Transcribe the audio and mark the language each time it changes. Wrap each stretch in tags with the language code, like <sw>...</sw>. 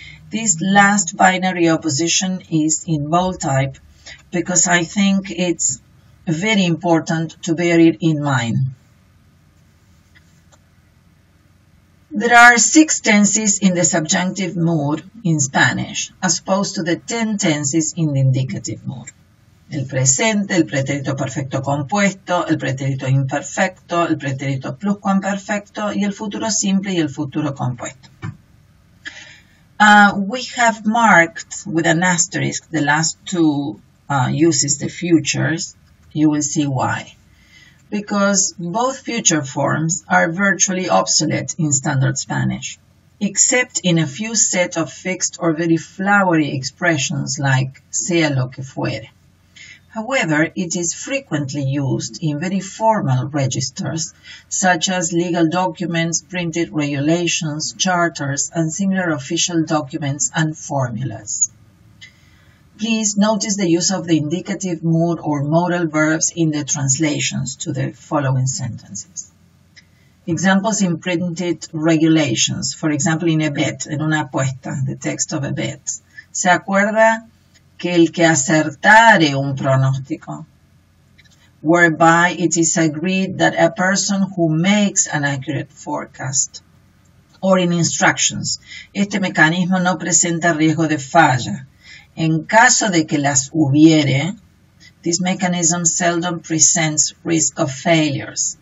<en>This last binary opposition is in bold type because I think it's very important to bear it in mind. There are 6 tenses in the subjunctive mood in Spanish, as opposed to the 10 tenses in the indicative mood.</en> <es>El presente, el pretérito perfecto compuesto, el pretérito imperfecto, el pretérito pluscuamperfecto y el futuro simple y el futuro compuesto.</es> <en>We have marked with an asterisk the last two uses, the futures. You will see why. Because both future forms are virtually obsolete in standard Spanish, except in a few set of fixed or very flowery expressions like</en> <es>sea lo que fuere.</es> <en>However, it is frequently used in very formal registers, such as legal documents, printed regulations, charters, and similar official documents and formulas. Please notice the use of the indicative mood or modal verbs in the translations to the following sentences. Examples in printed regulations, for example, in a bet,</en> <es>en una apuesta,</es> <en>the text of a bet.</en> <es>¿Se acuerda que el que acertare un pronóstico?</es> <en>Whereby it is agreed that a person who makes an accurate forecast. Or in instructions,</en> <es>este mecanismo no presenta riesgo de falla. En caso de que las hubiere,</es> <en>this mechanism seldom presents risk of failures.</en>